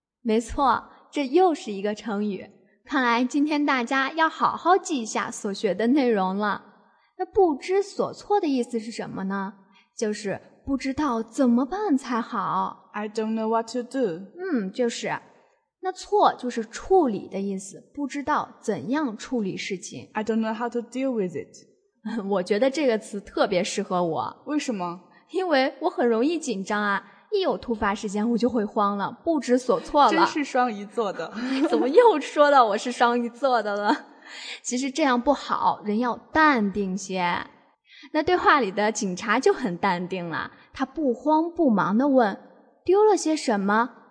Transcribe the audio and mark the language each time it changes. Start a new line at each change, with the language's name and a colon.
Chinese: 没错，这又是一个成语，看来今天大家要好好记一下所学的内容了。那不知所措的意思是什么呢？就是不知道怎么办才好。
English: I don't know what to do.
Chinese: 就是。那错就是处理的意思，不知道怎样处理事情。
English: I don't know how to deal with it.
Chinese: 我觉得这个词特别适合我。为什么？因为我很容易紧张啊，一有突发事件我就会慌了，不知所措了。真是双鱼座的。怎么又说到我是双鱼座的了？其实这样不好，人要淡定些。那对话里的警察就很淡定了，他不慌不忙地问，丢了些什么？